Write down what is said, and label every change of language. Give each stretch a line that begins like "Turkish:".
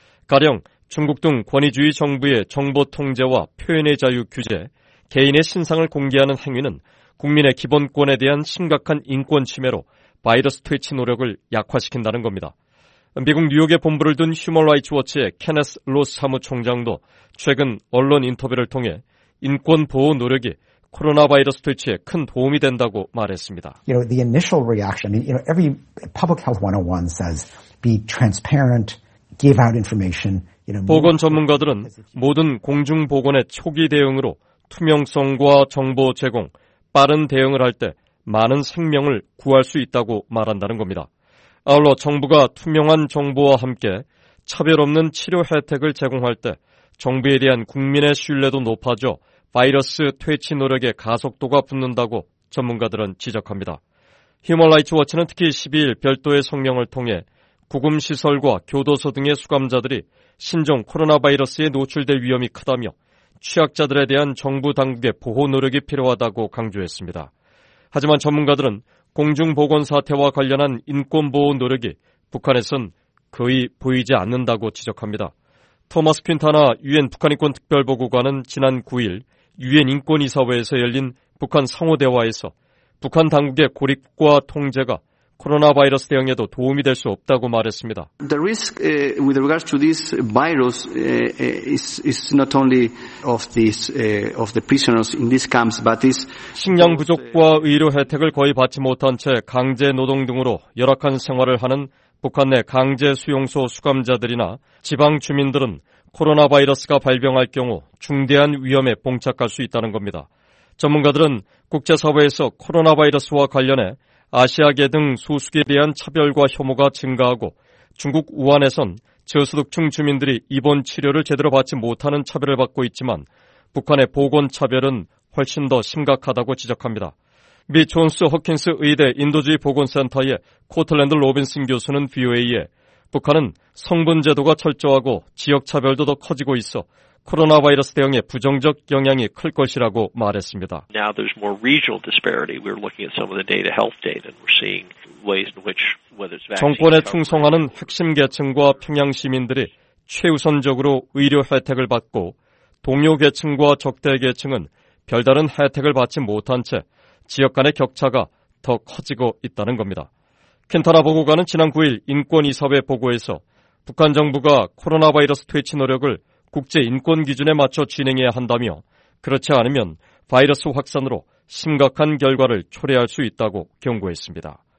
Korean: 가령 중국 등 권위주의 정부의 정보 통제와 표현의 자유 규제, 개인의 신상을 공개하는 행위는 국민의 기본권에 대한 심각한 인권 침해로 바이러스 퇴치 노력을 약화시킨다는 겁니다. 미국 뉴욕에 본부를 둔 휴먼 라이츠 워치의 케네스 로스 사무총장도 최근 언론 인터뷰를 통해 인권 보호 노력이 코로나 바이러스 퇴치에 큰 도움이 된다고 말했습니다.
English: You know, the initial reaction, you know, every public health 101 says be transparent, give out information. You know,
Korean: 보건 전문가들은 모든 공중 보건의 초기 대응으로 투명성과 정보 제공, 빠른 대응을 할 때 많은 생명을 구할 수 있다고 말한다는 겁니다. 아울러 정부가 투명한 정보와 함께 차별 없는 치료 혜택을 제공할 때 정부에 대한 국민의 신뢰도 높아져 바이러스 퇴치 노력의 가속도가 붙는다고 전문가들은 지적합니다. 휴먼 라이츠 워치는 특히 12일 별도의 성명을 통해 구금시설과 교도소 등의 수감자들이 신종 코로나 바이러스에 노출될 위험이 크다며 취약자들에 대한 정부 당국의 보호 노력이 필요하다고 강조했습니다. 하지만 전문가들은 공중보건 사태와 관련한 인권보호 노력이 북한에선 거의 보이지 않는다고 지적합니다. 토마스 퀸타나 유엔 북한인권특별보고관은 지난 9일 유엔 인권이사회에서 열린 북한 상호대화에서 북한 당국의 고립과 통제가 코로나 바이러스 대응에도 도움이 될 수 없다고 말했습니다.
English: The risk with regards to this virus is not only of this of the prisoners in these camps, but this
Korean: 식량 부족과 의료 혜택을 거의 받지 못한 채 강제 노동 등으로 열악한 생활을 하는 북한 내 강제 수용소 수감자들이나 지방 주민들은 코로나 바이러스가 발병할 경우 중대한 위험에 봉착할 수 있다는 겁니다. 전문가들은 국제사회에서 코로나 바이러스와 관련해 아시아계 등 소수계에 대한 차별과 혐오가 증가하고 중국 우한에선 저소득층 주민들이 입원 치료를 제대로 받지 못하는 차별을 받고 있지만 북한의 보건 차별은 훨씬 더 심각하다고 지적합니다. 미 존스 허킨스 의대 인도주의 보건센터의 코틀랜드 로빈슨 교수는 VOA에 북한은 성분 제도가 철저하고 지역 차별도 더 커지고 있어 코로나 바이러스 대응에 부정적 영향이 클 것이라고 말했습니다.
English: Now there's more regional disparity. We're looking at some of the data, health data, and we're seeing ways in which whether it's
Korean: 정권에 충성하는 핵심 계층과 평양 시민들이 최우선적으로 의료 혜택을 받고 동료 계층과 적대 계층은 별다른 혜택을 받지 못한 채 지역 간의 격차가 더 커지고 있다는 겁니다. 켄타라 보고관은 지난 9일 인권이사회 보고에서 북한 정부가 코로나 바이러스 퇴치 노력을 국제 인권 기준에 맞춰 진행해야 한다며 그렇지 않으면 바이러스 확산으로 심각한 결과를 초래할 수 있다고 경고했습니다.